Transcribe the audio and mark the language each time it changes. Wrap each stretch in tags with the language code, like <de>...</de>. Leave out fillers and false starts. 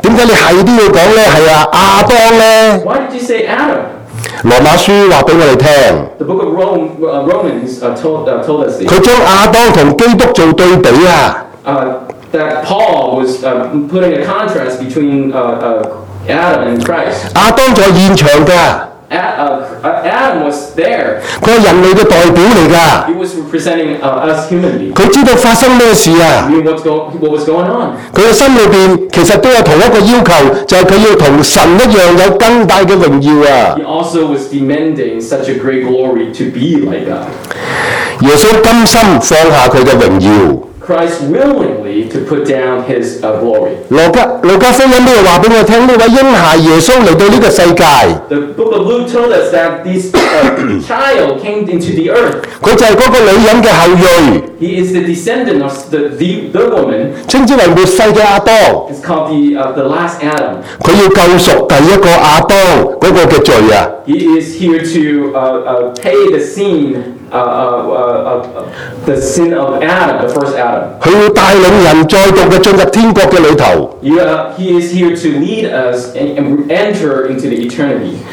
<yue>点解你系都要讲咧？系啊，亚当咧。</yue> <en>Why did you say Adam?</en> <yue>罗马书话俾我哋听，佢将亚当同基督做对比啊。</yue> <en>That Paul was putting a contrast between Adam and Christ.</en> <yue>亚当在现场噶。</yue> <en>Adam was there.</en> <yue>佢系人类嘅代表嚟噶。</yue> <en>He was representing us human beings.</en> <yue>佢知道发生咩事啊。</yue> <en>He knew what was going on.</en> <yue>佢嘅心里边其实都有同一个要求，就系佢要同神一样有更大嘅荣耀啊。</yue> <en>He also was demanding such a great glory to be like God.</en> <yue>耶稣甘心放下佢嘅荣耀。</yue> <en>Christ willingly to put down his glory.</en> <yue>路加福音都话俾我听，呢位婴孩耶稣嚟到呢个世界。</yue> <en>The book of Luke told us that this child came into the earth.</en> <yue>佢就系嗰个女人嘅后裔。</yue> <en>He is the descendant of the woman.</en> <yue>称之为末世嘅亚当。</yue> <en>It's called the last Adam.</en> <yue>佢要救赎第一个亚当嗰个嘅罪啊。</yue> <en>He is here to pay the sin. The sin of Adam, the first Adam.</en> <yue>佢要带领人再度嘅进入天国嘅里头。</yue> <en>He is here to lead us and enter into the eternity.</en>